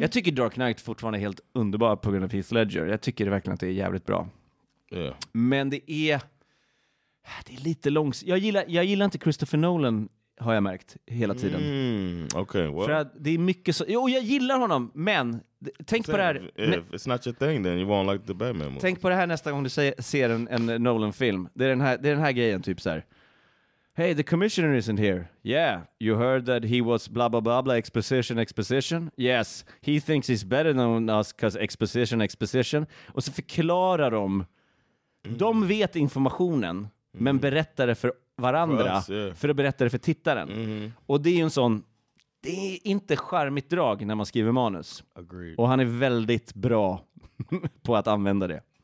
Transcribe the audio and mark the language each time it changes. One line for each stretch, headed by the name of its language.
Swedish: Jag tycker Dark Knight fortfarande är helt underbar på grund av Heath Ledger. Jag tycker verkligen att det är jävligt bra.
English: Yeah.
Swedish: Men det är lite långs. Jag gillar inte Christopher Nolan, har jag märkt hela tiden.
English: Okay, well.
Swedish: För att det är mycket så. Jo, jag gillar honom, men tänk på det här.
English: If it's not your thing, then you won't like the Batman movie.
Swedish: Tänk på det här nästa gång du ser en Nolan film. Det är den här grejen typ så här.
English: Hey, the commissioner isn't here. Yeah, you heard that he was blah blah blah blah exposition. Yes, he thinks he's better than us because exposition.
Swedish: Och så förklarar de. Mm. De vet informationen, men berättar det för varandra för att berätta det för tittaren. Mm. Och det är ju en sån, det är inte charmigt drag när man skriver manus.
English: Agreed.
Swedish: Och han är väldigt bra på att använda det.